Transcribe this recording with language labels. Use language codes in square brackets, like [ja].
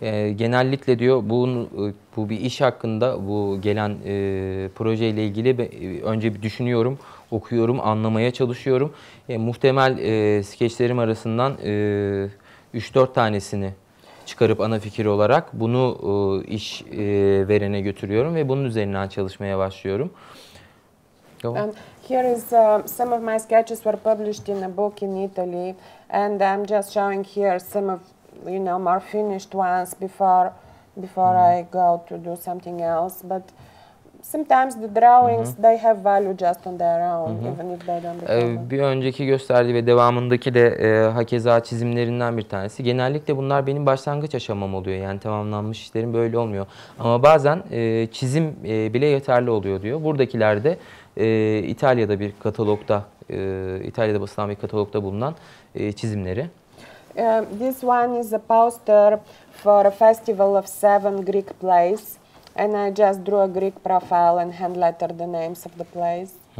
[tr] Genellikle diyor bu bir iş hakkında, bu gelen projeyle ilgili önce bir düşünüyorum, okuyorum, anlamaya çalışıyorum. Muhtemel skeçlerim arasından 3-4 tanesini çıkarıp ana fikir olarak bunu iş verene götürüyorum ve bunun üzerinden çalışmaya başlıyorum. [en] And here is some of my sketches were published in a book in Italy, and I'm just showing here some of, you know, more finished ones before mm-hmm. I go to do something else. But sometimes the drawings mm-hmm. they have value just on their own, mm-hmm. even if they don't. [tr] Bir önceki gösterdiği ve devamındaki de hakeza çizimlerinden bir tanesi. Genellikle bunlar benim başlangıç aşamam oluyor, yani tamamlanmış işlerim böyle olmuyor. Ama bazen çizim bile yeterli oluyor diyor. Buradakiler de İtalya'da bir katalogda, İtalya'da basılan bir katalogda bulunan çizimleri. [en] This one is a poster for a festival of seven Greek plays, and I just drew a Greek profile and hand lettered the names of the plays.